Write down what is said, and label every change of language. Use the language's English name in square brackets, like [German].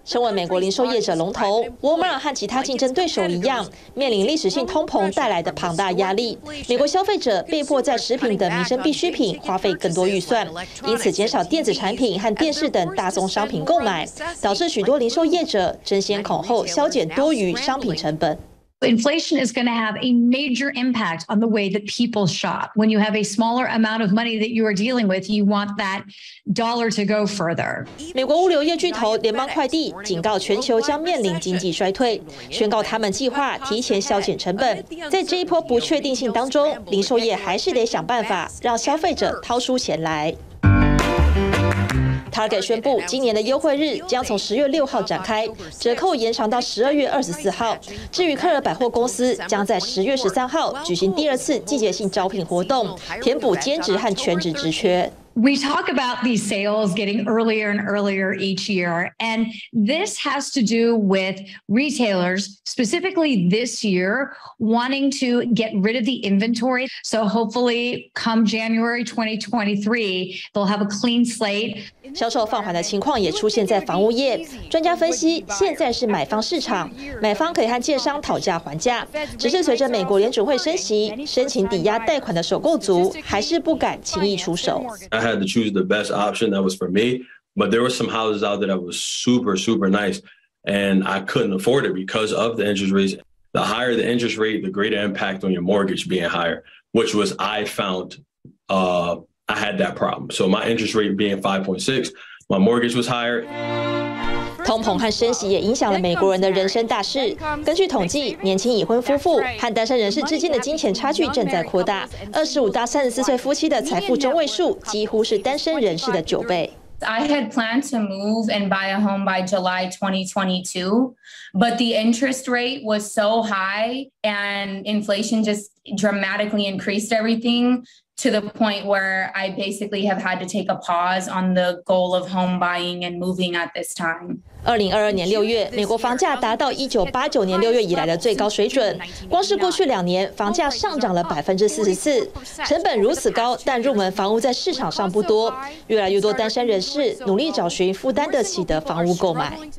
[Chinese] 身为美国零售业者龙头 ，Walmart 和其他竞争对手一样，面临历史性通膨带来的庞大压力。美国消费者被迫在食品等民生必需品花费更多预算，因此减少电子产品和电视等大宗商品购买，导致许多零售业者争先恐后削减多余商品成本。 [English] Inflation is going to have a major impact on the way that people shop. When you have a smaller amount of money that you are dealing with, you want that dollar to go further. [Chinese] 美国物流业巨头联邦快递警告全球将面临经济衰退，宣告他们计划提前削减成本。在这一波不确定性当中，零售业还是得想办法让消费者掏出钱来。 Target 宣布，今年的优惠日将从10月6号展开，折扣延长到12月24号。至于克尔百货公司，将在10月13号举行第二次季节性招聘活动，填补兼职和全职职缺。 [English] We talk about these sales getting earlier and earlier each year, and this has to do with retailers, specifically this year, wanting to get rid of the inventory. So hopefully come January 2023, they'll have a clean slate. [Chinese] 销售放缓的情况也出现在房屋业。专家分析，现在是买方市场，买方可以和建商讨价还价。只是随着美国联准会升息，申请抵押贷款的首购族还是不敢轻易出手。 [English] I had to choose the best option that was for me, but there were some houses out there that was super, super nice, and I couldn't afford it because of the interest rates. The higher the interest rate, the greater impact on your mortgage being higher, which was I found, I had that problem. So my interest rate being 5.6, my mortgage was higher. [Chinese] 通膨和升息也影响了美国人的人生大事。根据统计，年轻已婚夫妇和单身人士之间的金钱差距正在扩大。 25到34岁夫妻的财富中位数几乎是单身人士的9倍。 [English] I had planned to move and buy a home by July 2022, but the interest rate was so high and inflation just dramatically increased everything. To the point where I basically have had to take a pause on the goal of home buying and moving at this time. [Chinese] 2022年6月，美国房价达到1989年6月以来的最高水准。光是过去两年，房价上涨了44%。成本如此高，但入门房屋在市场上不多。越来越多单身人士努力找寻负担得起的房屋购买。